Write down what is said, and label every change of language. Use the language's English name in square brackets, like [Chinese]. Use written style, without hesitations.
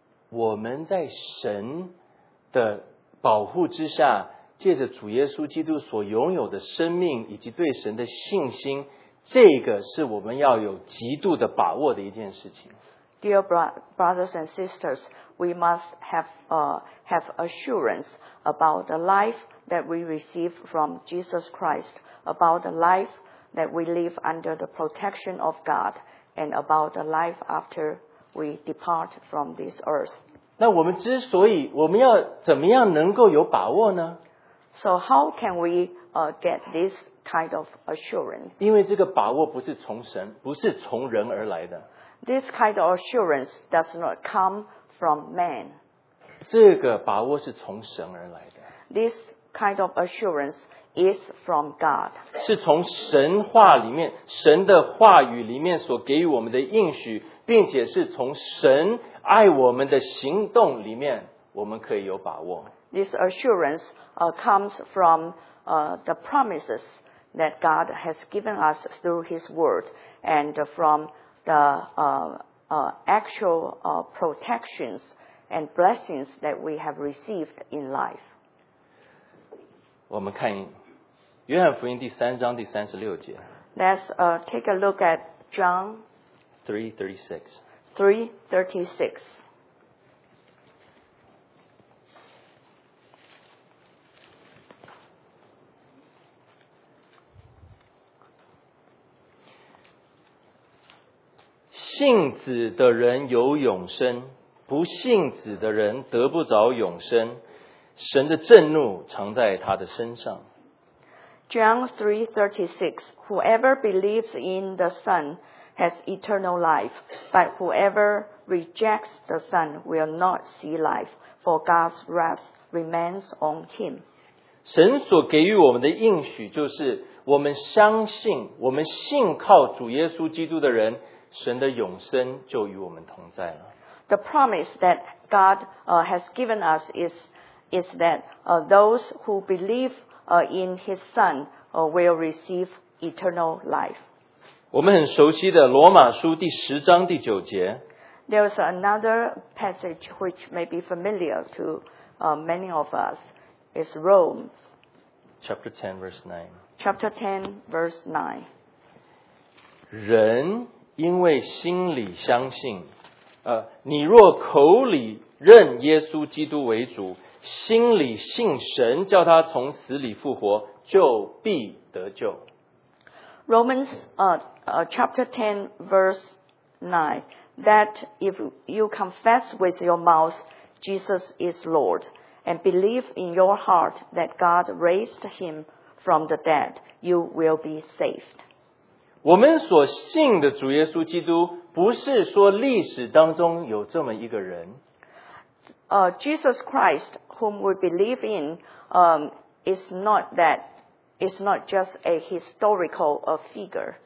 [Chinese] 我们在神的保护之下，借着主耶稣基督所拥有的生命以及对神的信心，这个是我们要有极度的把握的一件事情。 [English] Dear brothers and sisters, we must have assurance about the life that we receive from Jesus Christ, about the life that we live under the protection of God, and about the life after we depart from this earth. [Chinese] 那我们之所以我们要怎么样能够有把握呢？ [English] So how can we get this kind of assurance? [Chinese] 因为这个把握不是从神，不是从人而来的。 [English] This kind of assurance does not come from man. [Chinese] 这个把握是从神而来的。 [English] This kind of assurance is from God. [Chinese] 是从神话里面，神的话语里面所给予我们的应许，并且是从神爱我们的行动里面，我们可以有把握。 [English] This assurance comes from the promises that God has given us through His Word and from the actual protections and blessings that we have received in life. [Chinese] 我们看约翰福音第三章第三十六节。 [English] Let's take a look at John 3:36. 3:36. [Chinese] 信子的人有永生，不信子的人得不着永生，神的震怒常在他的身上。 [English] John 3:36 Whoever believes in the Son has eternal life, but whoever rejects the Son will not see life, for God's wrath remains on him. [Chinese] 神所给予我们的应许就是我们相信，我们信靠主耶稣基督的人，神的永生就与我们同在了。 [English] The promise that God has given us is that those who believe in His Son will receive eternal life. [Chinese] 我们很熟悉的罗马书第十章第九节。 [English] There is another passage which may be familiar to many of us. It's Romans. Chapter 10, verse 9. Chapter 10, verse 9. [Chinese] 人因为心里相信，你若口里认耶稣基督为主，心里信神叫他从死里复活，就必得救。 [English] Romans chapter 10 verse 9 that if you confess with your mouth Jesus is Lord and believe in your heart that God raised him from the dead, you will be saved. [Chinese] 我们所信的主耶稣基督不是说历史当中有这么一个人。 [English] Jesus Christ, whom we believe in, is not just a historical figure.